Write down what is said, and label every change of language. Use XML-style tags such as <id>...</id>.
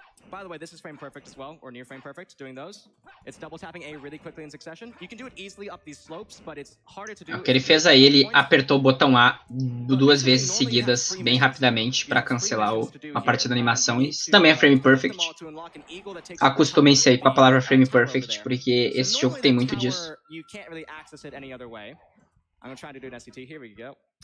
<en>By the way, this is frame perfect as well, or near frame perfect, doing those. It's double tapping A really quickly in succession. You can do it easily up these slopes, but it's harder to do.</en> <pt>O que ele fez aí, ele apertou o botão A duas vezes seguidas, bem rapidamente, pra cancelar a parte da animação. Isso também é frame perfect. Acostumem-se aí com a palavra frame perfect, porque esse jogo tem muito disso.</pt> <en>You can't really access it any other way. I'm gonna try to do an SCT, here we go.</en>